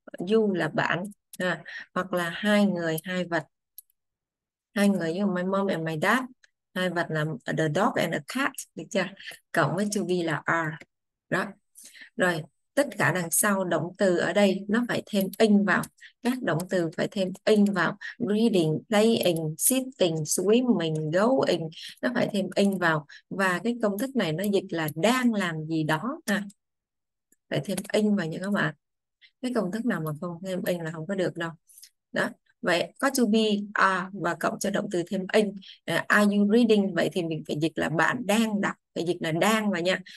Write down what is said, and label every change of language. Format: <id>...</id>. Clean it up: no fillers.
<vi>You là bạn, hoặc là hai người, hai vật. Hai người như</vi> <en>my mom and my dad.</en> <vi>Hai vật là</vi> <en>the dog and the cat.</en> <vi>Được chưa? Cộng với to be là are. Đó. Rồi. Tất cả đằng sau động từ ở đây nó phải thêm ing vào. Các động từ phải thêm ing vào.</vi> <en>Reading, playing, sitting, swimming, going.</en> <vi>Nó phải thêm ing vào. Và cái công thức này nó dịch là đang làm gì đó. Phải thêm ing vào nha các bạn. Cái công thức nào mà không thêm ing là không có được đâu. Đó. Vậy có to be, are và cộng cho động từ thêm ing.</vi> <en>Are you reading?</en> <vi>Vậy thì mình phải dịch là bạn đang đọc. Phải dịch là đang mà nha.</vi>